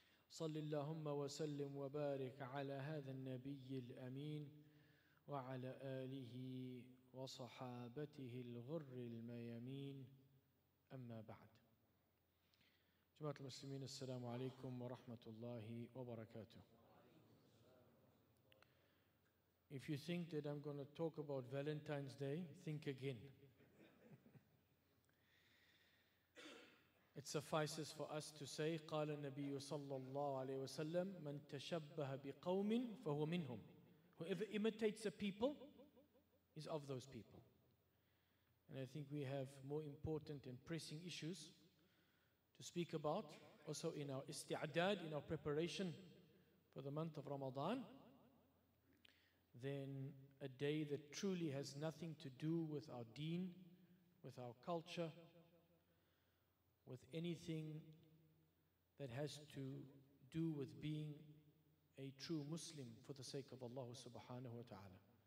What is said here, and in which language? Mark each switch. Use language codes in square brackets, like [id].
[ar] صل اللهم وسلم وبارك على هذا النبي الأمين وعلى آله وصحابته الغر الميمين أما بعد جماعة المسلمين السلام عليكم ورحمة الله وبركاته. [en] If you think that I'm going to talk about Valentine's Day, think again. It suffices for us to say, [ar] قال النبي صلى الله عليه وسلم من تشبه بقوم فهو منهم. [en] Whoever imitates a people is of those people. And I think we have more important and pressing issues to speak about, also in our isti'adad, in our preparation for the month of Ramadan, than a day that truly has nothing to do with our deen, with our culture, with anything that has to do with being a true Muslim for the sake of Allah subhanahu wa ta'ala.